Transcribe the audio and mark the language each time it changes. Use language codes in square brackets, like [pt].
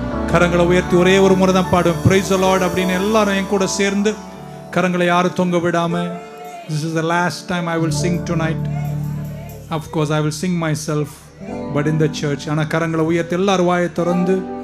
[ta] கரங்களை உயர்த்தி ஒரே ஒரு முறை தான் பாடுவோம். [en] Praise the Lord [ta] அப்படின்னு எல்லாரும் என் கூட சேர்ந்து கரங்களை யாரும் தொங்க விடாம. [en] This is the last time I will sing tonight. Of course I will sing myself, but in the church. [ta] ஆனால் கரங்களை உயர்த்தி எல்லாரும் வாயை திறந்து